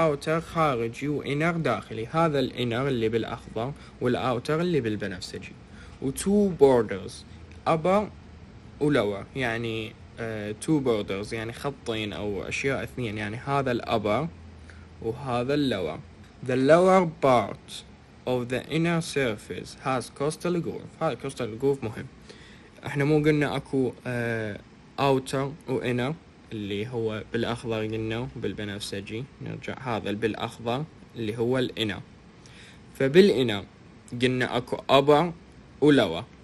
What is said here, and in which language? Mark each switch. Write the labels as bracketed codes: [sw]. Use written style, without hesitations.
[ar] outer خارجي و inner داخلي، هذا ال inner اللي بالأخضر والouter اللي بالبنفسجي. و [en] two borders upper [ar] و lower يعني two borders يعني خطين أو أشياء اثنين، يعني هذا ال upper وهذا اللور. [en] The lower part of the inner surface has costal groove. [ar] هذا costal groove مهم. احنا مو قلنا اكو outer و inner اللي هو بالاخضر قلنا بالبنفسجي، نرجع هذا بالاخضر اللي هو ال inner. فبال inner قلنا اكو upper و lower.